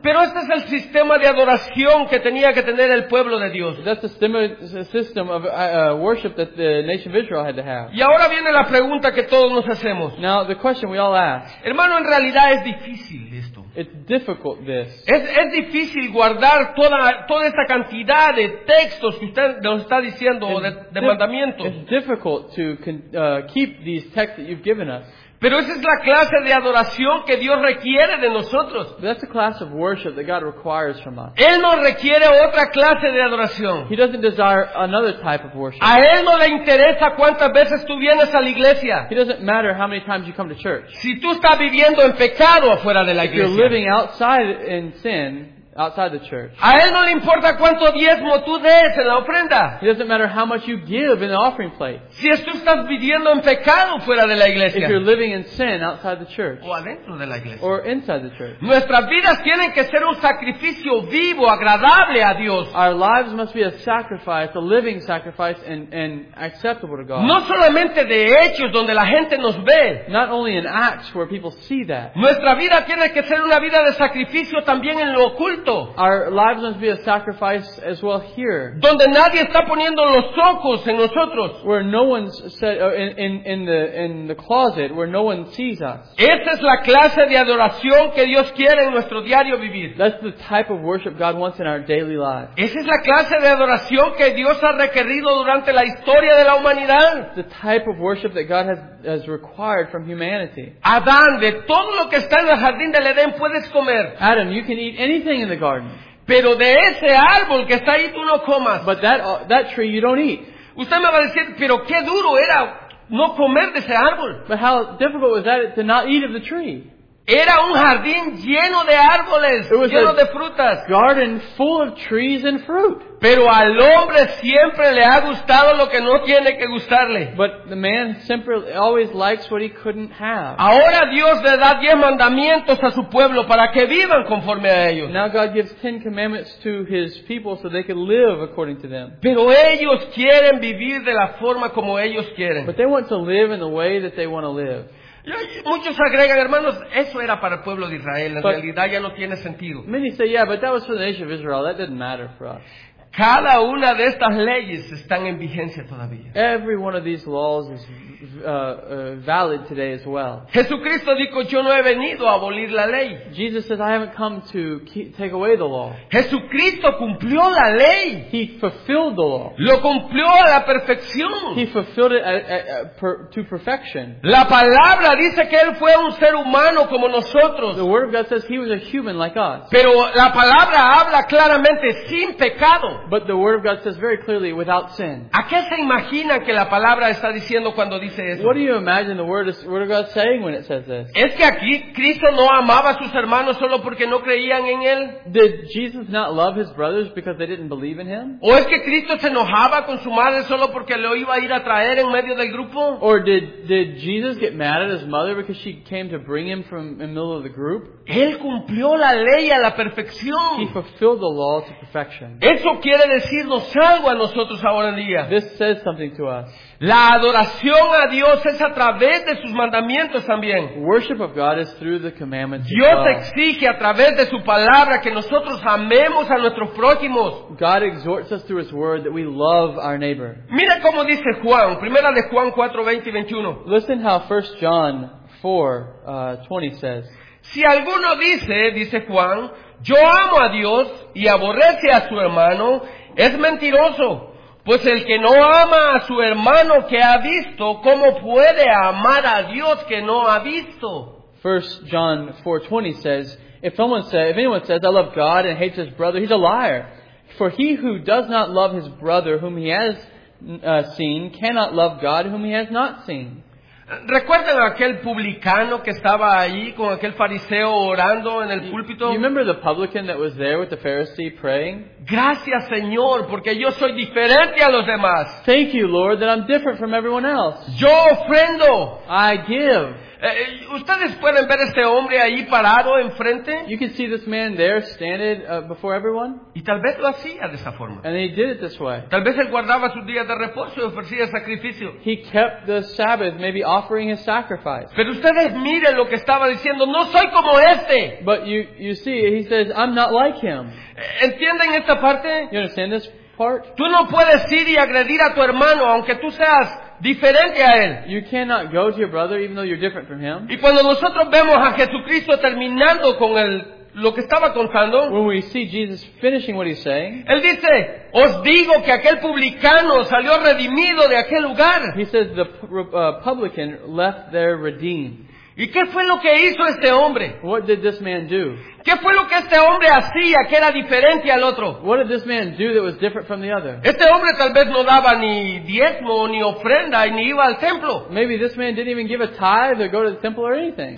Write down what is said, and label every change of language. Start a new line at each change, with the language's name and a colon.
Spanish: Pero este es el sistema de adoración que tenía que tener el pueblo de Dios.
English: That's the system of worship that the nation of Israel had to have.
Spanish: Y ahora viene la pregunta que todos nos hacemos.
English: Now the question we all ask.
Spanish: Hermano, en realidad es difícil esto.
English: It's difficult, this.
Spanish: Es difícil guardar toda esta cantidad de textos que usted nos está diciendo, de mandamientos.
English: It's difficult to keep these texts that you've given us.
Spanish: Pero esa es la clase de adoración que Dios requiere de nosotros.
English: But that's the class of worship that God requires from us.
Spanish: Él no requiere otra clase de adoración.
English: He doesn't desire another type of worship.
Spanish: A Él no le interesa cuántas veces tú vienes a la iglesia.
English: He doesn't matter how many times you come to church.
Spanish: Si tú estás viviendo en pecado afuera de la iglesia.
English: If you're living outside in sin, outside the church.
Spanish: A él no le importa cuánto diezmo tú des en la ofrenda.
English: It doesn't matter how much you give in the offering plate.
Spanish: Si tú estás viviendo en pecado fuera de la iglesia.
English: If you're living in sin outside the church.
Spanish: O adentro de la iglesia.
English: Or inside the church.
Spanish: Nuestras vidas tienen que ser un sacrificio vivo, agradable a Dios.
English: Our lives must be a sacrifice, a living sacrifice and acceptable to God.
Spanish: No solamente de hechos donde la gente nos ve.
English: Not only in acts where people see that.
Spanish: Nuestra vida tiene que ser una vida de sacrificio también en lo oculto.
English: Our lives must be a sacrifice as well here.
Spanish: Donde nadie está poniendo los ojos en nosotros.
English: Where no one's said, in the closet where no one sees us.
Spanish: Esa es la clase de adoración que Dios quiere en nuestro diario vivir.
English: That's the type of worship God wants in our daily lives.
Spanish: Esa es la clase de adoración que Dios ha requerido durante la historia de la humanidad.
English: The type of worship that God has required from humanity.
Spanish: Adán, de todo lo que está en el jardín del Edén puedes comer.
English: Adam, you can eat anything in the garden.
Spanish: Pero de ese árbol que está ahí tú no comas.
English: But that tree you don't eat.
Spanish: Usted me va a decir, pero qué duro era no comer de ese árbol.
English: But how difficult was that to not eat of the tree?
Spanish: Era un jardín lleno de árboles, lleno de frutas.
English: Garden full of trees and fruit.
Spanish: Pero al hombre siempre le ha gustado lo que no tiene que gustarle.
English: But the man simply always likes what he couldn't have.
Spanish: Ahora Dios le da 10 mandamientos a su pueblo para que vivan conforme a ellos.
English: Now God gives 10 commandments to his people so they can live according to them.
Spanish: Pero ellos quieren vivir de la forma como ellos quieren.
English: But they want to live in the way that they want to live.
Spanish: Muchos agregan, hermanos, eso era para el pueblo de Israel. En realidad ya no tiene sentido.
English: Many say, yeah, but that was for the nation of Israel. That didn't matter for us.
Spanish: Cada una de estas leyes están en vigencia todavía.
English: Every one of these laws is valid today as well.
Spanish: Jesucristo dijo, yo no he venido a abolir la ley.
English: Jesus says, I haven't come to take away the law.
Spanish: Jesucristo cumplió la ley.
English: He fulfilled the law.
Spanish: Lo cumplió a la perfección.
English: He fulfilled it to perfection.
Spanish: La palabra dice que él fue un ser humano como nosotros.
English: The word of God says he was a human like us.
Spanish: Pero la palabra habla claramente sin pecado.
English: But the word of God says very clearly without sin.
Spanish: ¿A qué se imagina que la palabra está diciendo cuando dice eso?
English: What do you imagine the word is, what is God saying when it says this?
Spanish: ¿Es que aquí Cristo no amaba a sus hermanos solo porque no creían en él?
English: Did Jesus not love his brothers because they didn't believe in him?
Spanish: ¿O es que Cristo se enojaba con su madre solo porque lo iba a ir a traer en medio del grupo?
English: Or did Jesus get mad at his mother because she came to bring him from in the middle of the group?
Spanish: Él cumplió la ley a la perfección.
English: He fulfilled the law to perfection.
Spanish: Eso quiere decirnos algo a nosotros ahora en día.
English: This says something to us.
Spanish: La adoración a Dios es a través de sus mandamientos también.
English: Worship of God is through the commandments of God.
Spanish: Dios exige a través de su palabra que nosotros amemos a nuestros prójimos.
English: God exhorts us through his word that we love our neighbor.
Spanish: Mira cómo dice Juan, primera de Juan 4:20 y 21.
English: Listen how 1 John 4:20 says.
Spanish: Si alguno dice, dice Juan, yo amo a Dios y aborrece a su hermano, es mentiroso. Pues el que no ama a su hermano que ha visto, ¿cómo puede amar a Dios que no ha visto?
English: 1 John 4:20 says, if anyone says, I love God and hates his brother, he's a liar. For he who does not love his brother whom he has seen, cannot love God whom he has not seen.
Spanish: ¿Recuerdan aquel publicano que estaba ahí con aquel fariseo orando en el púlpito?
English: You remember the publican that was there with the Pharisee praying?
Spanish: Gracias, Señor, porque yo soy diferente a los demás.
English: Thank you, Lord, that I'm different from everyone else.
Spanish: Yo ofrendo.
English: I give.
Spanish: ¿Ustedes pueden ver este hombre ahí parado enfrente?
English: You can see this man there standing before everyone.
Spanish: Y tal vez lo hacía de esa forma.
English: And he did it this way.
Spanish: Tal vez él guardaba sus días de reposo y ofrecía sacrificio.
English: He kept the Sabbath, maybe offering his sacrifice.
Spanish: Pero ustedes miren lo que estaba diciendo. No soy como este.
English: But you see, he says, I'm not like him.
Spanish: ¿Entienden esta parte?
English: You understand this part?
Spanish: Tú no puedes ir y agredir a tu hermano, aunque tú seas diferente a él.
English: You cannot go to your brother even though you're different from him.
Spanish: Y cuando nosotros vemos a Jesucristo terminando con el lo que estaba contando,
English: when we see Jesus finishing what he's saying,
Spanish: él dice, os digo que aquel publicano salió redimido de aquel lugar.
English: He says the publican left there redeemed.
Spanish: ¿Y qué fue lo que hizo este hombre?
English: What did this man do?
Spanish: ¿Qué fue lo que este hombre hacía que era diferente al otro?
English: What did this man do that was different from the other?
Spanish: Este hombre tal vez no daba ni diezmo ni ofrenda y ni iba al templo.
English: Maybe this man didn't even give a tithe or go to the temple or anything.